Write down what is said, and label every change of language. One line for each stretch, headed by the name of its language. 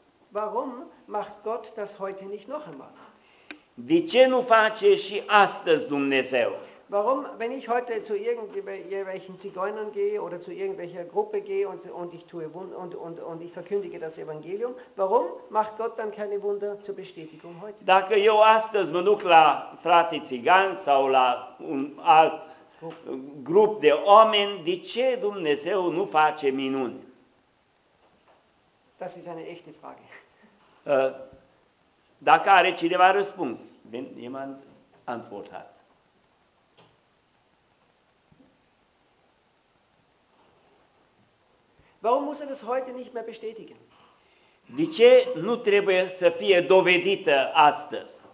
German: Warum macht Gott das heute nicht noch einmal?
Romanian: De ce nu face și astăzi Dumnezeu?
German: Warum, wenn ich heute zu irgendwelchen Zigeunern gehe oder zu irgendwelcher Gruppe gehe und ich verkündige das Evangelium, warum macht Gott dann keine Wunder zur Bestätigung heute?
Romanian: Dacă eu astăzi mă duc la frații țigani sau la un alt grup de oameni, de ce Dumnezeu nu face minuni?
German: Das ist eine echte Frage.
Romanian: Dacă are cineva răspuns,
German: jemand antwortet. Warum muss er das heute nicht mehr bestätigen?
Romanian: De ce nu trebuie să fie dovedită astăzi?